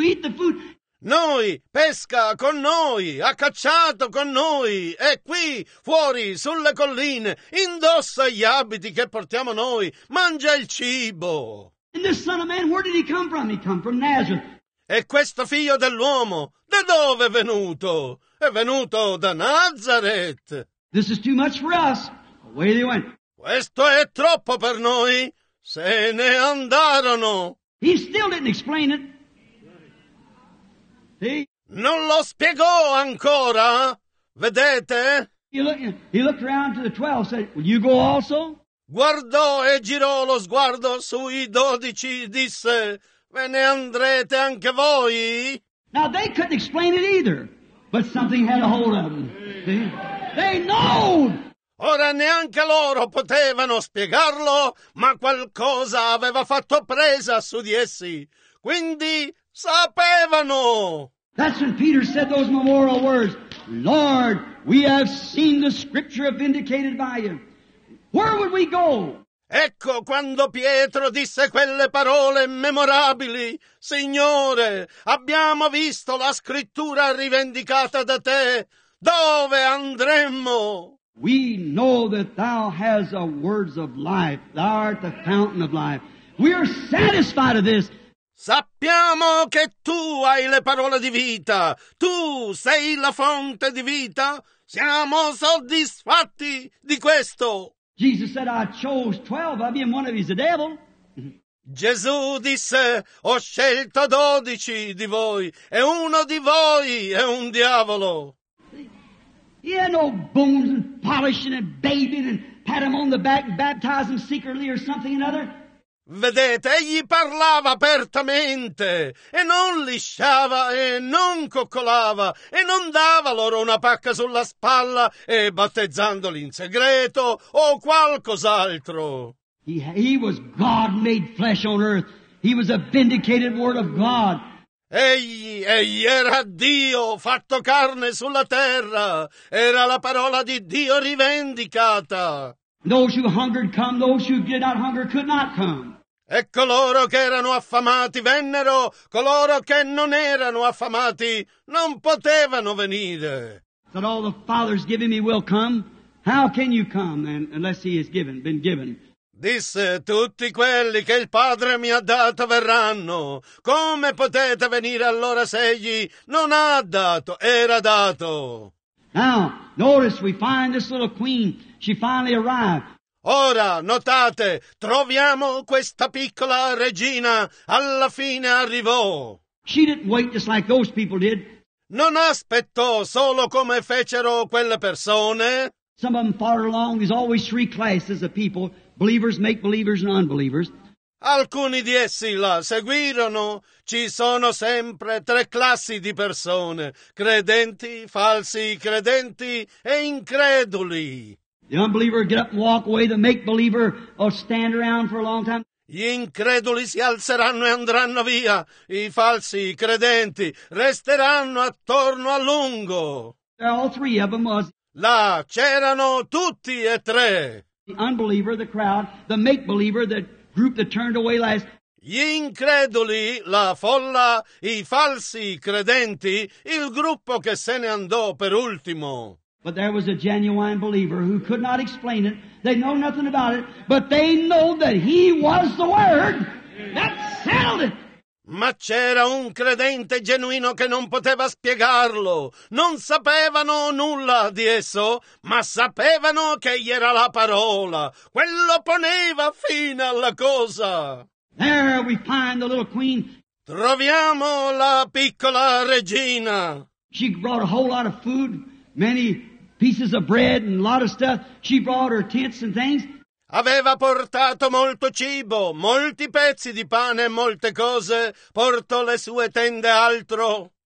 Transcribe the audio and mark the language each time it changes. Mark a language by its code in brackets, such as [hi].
[en] Eat the food. [it] Noi pesca con noi, ha cacciato con noi, è qui, fuori, sulle colline, indossa gli abiti che portiamo noi, mangia il cibo. [en] And this Son of Man, where did he come from? He come from Nazareth. [it] E questo figlio dell'uomo, da dove è venuto? È venuto da Nazareth. [en] This is too much for us. Away they went. [it] Questo è troppo per noi. Se ne andarono. [en] He still didn't explain it. [it] Non lo spiegò ancora, vedete? [en] He looked around to the 12 and said, will you go also? [it] Guardò e girò lo sguardo sui 12 e disse, ve ne andrete anche voi? [en] Now they couldn't explain it either, but something had a hold of them. See? They know! [it] Ora neanche loro potevano spiegarlo, ma qualcosa aveva fatto presa su di essi. Quindi sapevano. [en] That's when Peter said those memorial words. Lord, we have seen the scripture vindicated by you. Where would we go? [it] Ecco quando Pietro disse quelle parole memorabili. Signore, abbiamo visto la scrittura rivendicata da te. Dove andremmo? [en] We know that thou hast the words of life. Thou art the fountain of life. We are satisfied of this. [it] Sappiamo che tu hai le parole di vita. Tu sei la fonte di vita. Siamo soddisfatti di questo. [en] Jesus said, I chose 12 of you, and one of you is the devil. [it] Gesù disse, ho scelto 12 di voi, e uno di voi è un diavolo. [en] He had no bones and polishing and bathing and pat him on the back and baptize him secretly or something or another. [it] Vedete, egli parlava apertamente e non lisciava e non coccolava e non dava loro una pacca sulla spalla e battezzandoli in segreto o qualcos'altro. [en] He was God made flesh on earth. He was a vindicated word of God. [it] Egli era Dio fatto carne sulla terra. Era la parola di Dio rivendicata. [en] Those who hungered come, those who did not hunger could not come. [it] E coloro che erano affamati vennero, coloro che non erano affamati non potevano venire. [en] That all the Father's giving me will come. How can you come unless he has been given? [it] Disse, tutti quelli che il Padre mi ha dato verranno. Come potete venire allora se egli non ha dato, era dato? [en] Now, notice we find this little queen, she finally arrived. [it] Ora, notate, troviamo questa piccola regina, alla fine arrivò. [en] She didn't wait just like those people did. [it] Non aspettò solo come fecero quelle persone. [en] Some of them followed along, there's always three classes of people, believers, make-believers, and unbelievers. [it] Alcuni di essi la seguirono, ci sono sempre tre classi di persone, credenti, falsi credenti e increduli. [en] The unbeliever get up and walk away. The make-believer will stand around for a long time. [it] Gli increduli si alzeranno e andranno via. I falsi, i credenti, resteranno attorno a lungo. [en] All three of them was. [it] Là c'erano tutti e tre. [en] The unbeliever, the crowd, the make-believer, the group that turned away last. [it] Gli increduli, la folla, i falsi, i credenti, il gruppo che se ne andò per ultimo. [en] But there was a genuine believer who could not explain it. They know nothing about it, but they know that he was the Word that settled it. [it] Ma c'era un credente genuino che non poteva spiegarlo. Non sapevano nulla di esso, ma sapevano che gli era la parola. Quello poneva fine alla cosa. [en] There we find the little queen. [it] Troviamo la piccola regina. [en] She brought a whole lot of food, many pieces of bread and a lot of stuff. She brought her tents and things. [it] Aveva portato molto cibo, molti pezzi di pane e molte cose. Portò le sue tende altro.